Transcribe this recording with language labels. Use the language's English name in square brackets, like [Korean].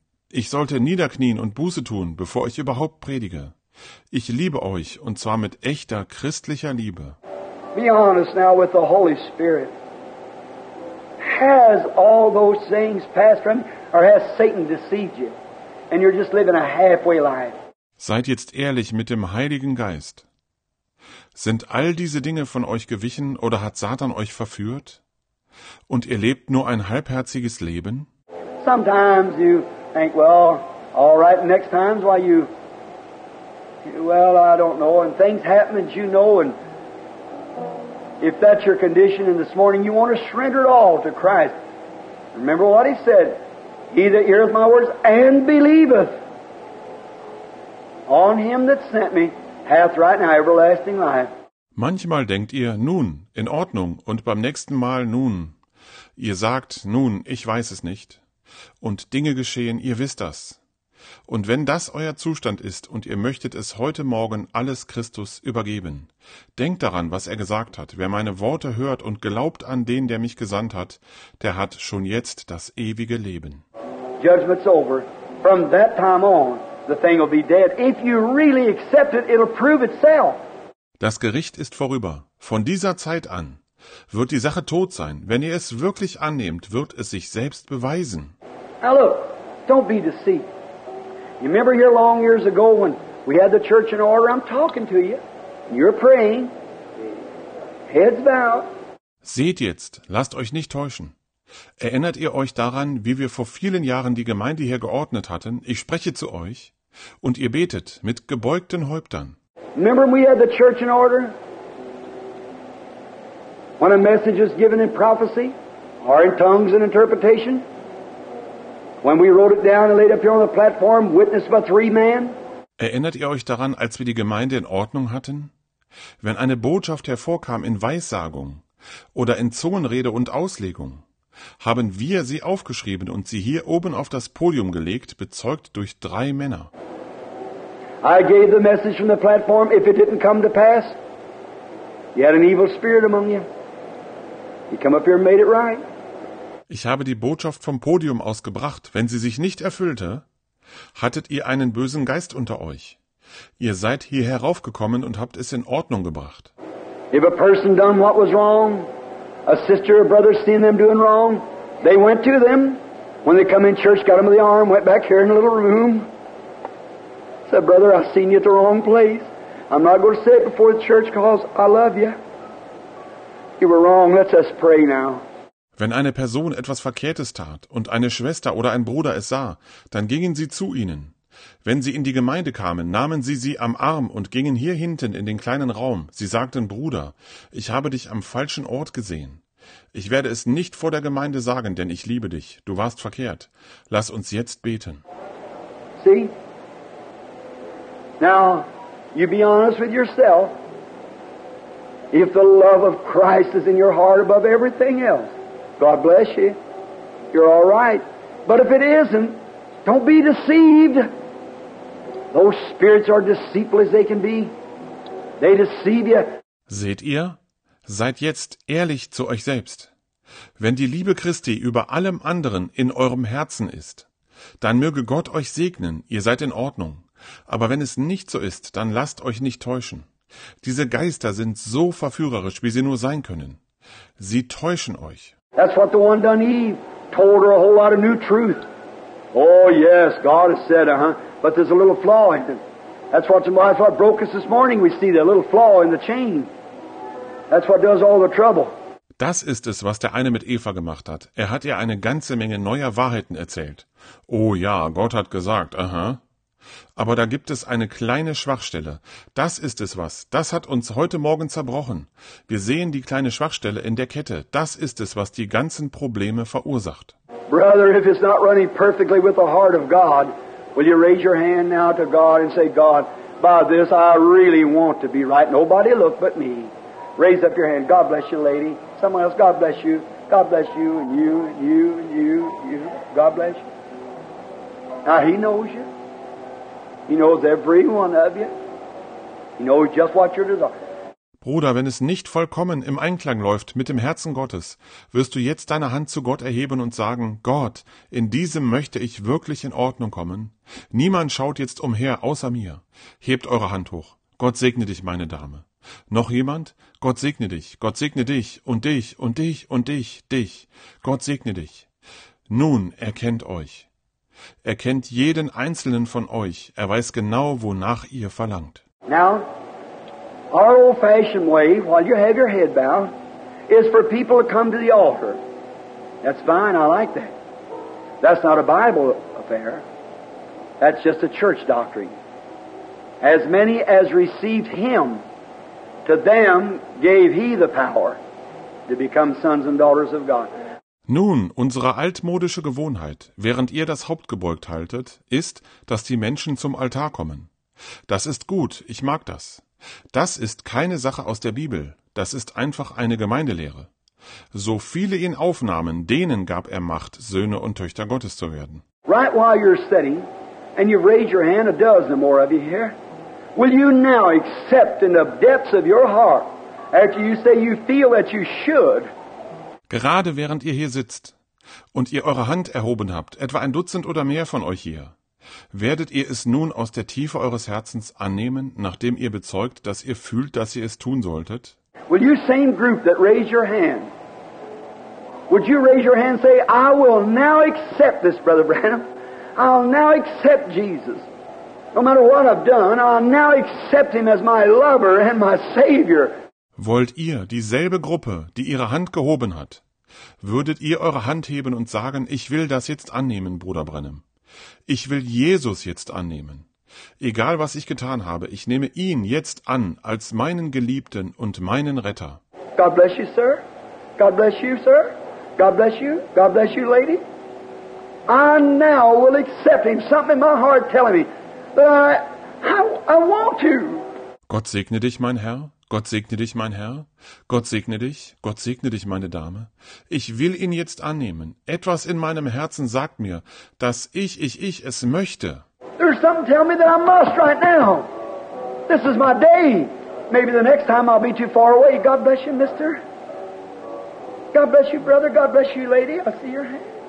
[German] Ich sollte niederknien und Buße tun, bevor ich überhaupt predige. Ich liebe euch, und zwar mit echter christlicher Liebe. [English] Be honest now with the Holy Spirit. Has all those things passed from you, or has Satan deceived you? And you're just living a halfway life. [German] Seid jetzt ehrlich mit dem Heiligen Geist. Sind all diese Dinge von euch gewichen oder hat Satan euch verführt? Und ihr lebt nur ein halbherziges Leben? [English] Sometimes you think, well, all right, next time's why you, well, I don't know, and things happen, and you know, and if that's your condition in this morning, you want to surrender it all to Christ. Remember what he said, he that heareth my words and believeth on him that sent me hath right now everlasting life. [German] Manchmal denkt ihr, nun, in Ordnung, und beim nächsten Mal, nun. Ihr sagt, nun, ich weiß es nicht. Und Dinge geschehen, ihr wisst das. Und wenn das euer Zustand ist und ihr möchtet es heute Morgen alles Christus übergeben, denkt daran, was er gesagt hat. Wer meine Worte hört und glaubt an den, der mich gesandt hat, der hat schon jetzt das ewige Leben. [English] Judgment's over. From that time on, the thing will be dead. If you really accept it, it'll prove itself. [German] Das Gericht ist vorüber. Von dieser Zeit an wird die Sache tot sein. Wenn ihr es wirklich annehmt, wird es sich selbst beweisen. [English] Now look, don't be deceived. You remember here long years ago when we had the church in order, I'm talking to you, and you're praying, heads bowed. [German] Seht jetzt, lasst euch nicht täuschen. Erinnert ihr euch daran, wie wir vor vielen Jahren die Gemeinde hier geordnet hatten? Ich spreche zu euch, und ihr betet mit gebeugten Häuptern. [English] Remember when we had the church in order? When a message is given in prophecy, or in tongues and interpretation? When we wrote it down and laid up here on the platform, witnessed by three men. [German] Erinnert ihr euch daran, als wir die Gemeinde in Ordnung hatten? Wenn eine Botschaft hervorkam in Weissagung oder in Zungenrede und Auslegung, haben wir sie aufgeschrieben und sie hier oben auf das Podium gelegt, bezeugt durch drei Männer. [English] I gave the message from the platform, if it didn't come to pass, you had an evil spirit among you. You come up here and made it right. [German] Ich habe die Botschaft vom Podium aus gebracht. Wenn sie sich nicht erfüllte, hattet ihr einen bösen Geist unter euch. Ihr seid hier heraufgekommen und habt es in Ordnung gebracht. [English] If a person done what was wrong, a sister or brother seen them doing wrong, they went to them. When they come in church, got them in the arm, went back here in a little room. Said, brother, I seen you at the wrong place. I'm not going to say it before the church because I love you. You were wrong. Let's us pray now. [German] Wenn eine Person etwas Verkehrtes tat und eine Schwester oder ein Bruder es sah, dann gingen sie zu ihnen. Wenn sie in die Gemeinde kamen, nahmen sie sie am Arm und gingen hier hinten in den kleinen Raum. Sie sagten, Bruder, ich habe dich am falschen Ort gesehen. Ich werde es nicht vor der Gemeinde sagen, denn ich liebe dich. Du warst verkehrt. Lass uns jetzt beten. [English] See? Now, you be honest with yourself. If the love of Christ is in your heart above everything else, God bless you. You're all right. But if it isn't, don't be deceived. Those spirits are deceitful as they can be. They deceive you. [German] Seht ihr? Seid jetzt ehrlich zu euch selbst. Wenn die Liebe Christi über allem anderen in eurem Herzen ist, dann möge Gott euch segnen. Ihr seid in Ordnung. Aber wenn es nicht so ist, dann lasst euch nicht täuschen. Diese Geister sind so verführerisch, wie sie nur sein können. Sie täuschen euch. [English] That's what the one done Eve told her, a whole lot of new truth. Oh yes, God has said, but there's a little flaw in it. That's what broke us this morning. We see the little flaw in the chain. That's what does all the trouble. [German] Das ist es, was der eine mit Eva gemacht hat. Er hat ihr eine ganze Menge neuer Wahrheiten erzählt. Oh ja, Gott hat gesagt, Aber da gibt es eine kleine Schwachstelle. Das ist es was. Das hat uns heute Morgen zerbrochen. Wir sehen die kleine Schwachstelle in der Kette. Das ist es, was die ganzen Probleme verursacht. [English] Brother, if it's not running perfectly with the heart of God, will you raise your hand now to God and say, God, by this I really want to be right. Nobody look but me. Raise up your hand. God bless you, lady. Someone else, God bless you. God bless you and you and you and you and you. God bless you. Now he knows you. He knows every one of you. He knows just what your desire. [German] Bruder, wenn es nicht vollkommen im Einklang läuft mit dem Herzen Gottes, wirst du jetzt deine Hand zu Gott erheben und sagen, Gott, in diesem möchte ich wirklich in Ordnung kommen. Niemand schaut jetzt umher außer mir. Hebt eure Hand hoch. Gott segne dich, meine Dame. Noch jemand? Gott segne dich. Gott segne dich und dich und dich und dich, dich. Gott segne dich. Nun erkennt euch. Er kennt jeden einzelnen von euch. Er weiß genau, wonach ihr verlangt. [English] Now, our old-fashioned way, while you have your head bowed, is for people to come to the altar. That's fine. I like that. That's not a Bible affair. That's just a church doctrine. As many as received Him, to them gave He the power to become sons and daughters of God. [German] Nun, unsere altmodische Gewohnheit, während ihr das Haupt gebeugt haltet, ist, dass die Menschen zum Altar kommen. Das ist gut, ich mag das. Das ist keine Sache aus der Bibel, das ist einfach eine Gemeindelehre. So viele ihn aufnahmen, denen gab er Macht, Söhne und Töchter Gottes zu werden. [English] Right while you're sitting, and you've raised your hand, a dozen or more of you here, will you now accept in the depths of your heart, after you say you feel that you should, [German] gerade während ihr hier sitzt und ihr eure Hand erhoben habt, etwa ein Dutzend oder mehr von euch hier, werdet ihr es nun aus der Tiefe eures Herzens annehmen, nachdem ihr bezeugt, dass ihr fühlt, dass ihr es tun solltet? [English] Will you same group that raised your hand, would you raise your hand and say, I will now accept this, Brother Branham. I'll now accept Jesus. No matter what I've done, I'll now accept Him as my lover and my Savior. [German] Wollt ihr, dieselbe Gruppe, die ihre Hand gehoben hat, würdet ihr eure Hand heben und sagen, ich will das jetzt annehmen, Bruder Branham. Ich will Jesus jetzt annehmen. Egal, was ich getan habe, ich nehme ihn jetzt an als meinen Geliebten und meinen Retter. [English] God bless you, sir. God bless you, sir. God bless you. God bless you, lady. I now will accept Him. Something in my heart telling me that I want to. [German] Gott segne dich, mein Herr. Gott segne dich, mein Herr. Gott segne dich. Gott segne dich, meine Dame. Ich will ihn jetzt annehmen. Etwas in meinem Herzen sagt mir, dass ich es möchte. [English] There's something telling me that I must right now. This is my day. Maybe the next time I'll be too far away. God bless you, mister. God bless you, brother. God bless you, lady. I see your hand.